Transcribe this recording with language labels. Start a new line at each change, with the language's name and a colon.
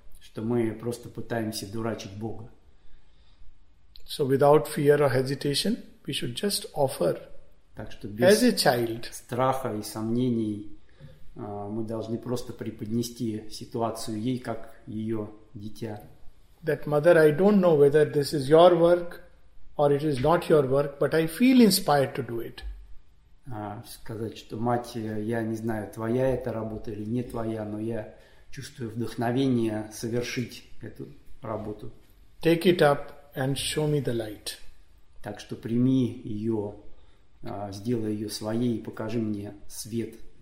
Russian: Что мы просто пытаемся дурачить Бога.
English: So without fear or hesitation, we should just offer.
Russian: Так что без страха и сомнений мы должны просто преподнести ситуацию ей, как ее дитя.
English: That mother, I don't know whether this is your work or it is not your work, but I feel inspired to do it.
Russian: Сказать, что мать, я не знаю, твоя эта работа или не твоя, но я чувствую вдохновение совершить эту работу.
English: Take it up and show me the light.
Russian: Так что прими ее, сделай ее своей и покажи мне свет.